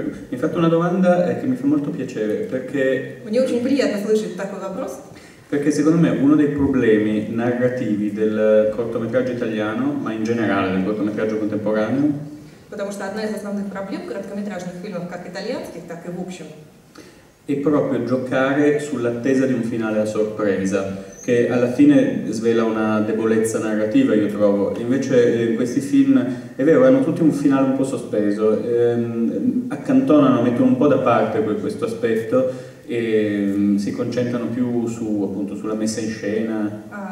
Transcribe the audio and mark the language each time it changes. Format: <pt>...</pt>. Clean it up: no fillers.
<it>Infatti una domanda che mi fa molto piacere perché</it> <ru>мне очень приятно слышать такой вопрос.</ru> <it>Perché secondo me uno dei problemi narrativi del cortometraggio italiano, ma in generale del cortometraggio contemporaneo.</it> <ru>Потому что одна из основных проблем короткометражных фильмов как итальянских, так и в общем.</ru> <it>È proprio giocare sull'attesa di un finale a sorpresa, che alla fine svela una debolezza narrativa, io trovo. Invece questi film, è vero, hanno tutti un finale un po' sospeso, accantonano, mettono un po' da parte questo aspetto e si concentrano più su, appunto, sulla messa in scena.</it>